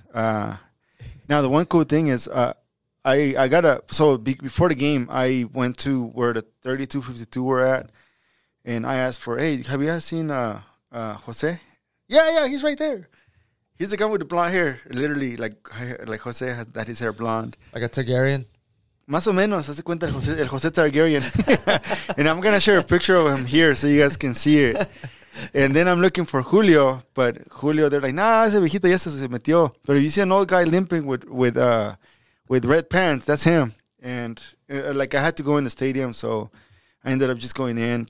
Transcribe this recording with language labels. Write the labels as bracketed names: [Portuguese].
[English] Now, the one cool thing is I got a – so before the game, I went to where the 3252 were at, and I asked for, hey, have you guys seen Jose? Yeah, he's right there. He's the guy with the blonde hair, literally, like Jose has that his hair blonde. Like a Targaryen? [Spanish] Más o menos, hace cuenta el José Targaryen. [English] And I'm going to share a picture of him here so you guys can see it. And then I'm looking for Julio, but Julio, they're like, nah, [Spanish] ese viejito ya se metió. [English] But if you see an old guy limping with red pants, that's him. And, like, I had to go in the stadium, so I ended up just going in.